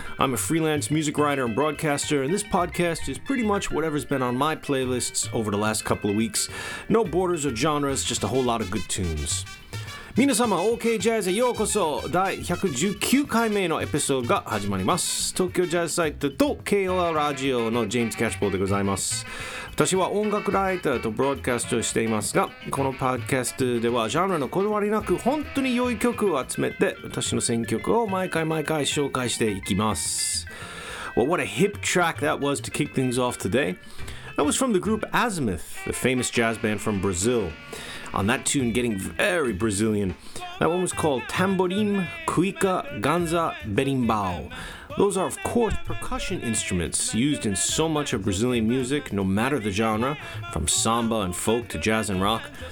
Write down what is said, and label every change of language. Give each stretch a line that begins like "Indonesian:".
English: I'm a freelance music writer and broadcaster, and this podcast is pretty much whatever's been on my playlists over the last couple of weeks. No borders or genres, just a whole lot of good tunes.
Japanese: 皆様 OK ジャズへようこそ。第119回目のエピソードが始まります。東京ジャズサイトと KOL ラジオのジェームズ・キャッチポールでございます。私は音楽ライターとブロードキャストをしていますが、このパッドキャストではジャンルのこだわりなく本当に良い曲を集めて、私の選曲を毎回毎回紹介していきます。
English: Well, what a hip track that was to kick things off today. That was from the group Azimuth, the famous jazz band from Brazil. On that tune, getting very Brazilian. That one was called Tamborim, Cuica, Ganza, Berimbau. Those are, of course, percussion instruments used in so much of Brazilian music, no matter the genre, from samba and folk to jazz and rock.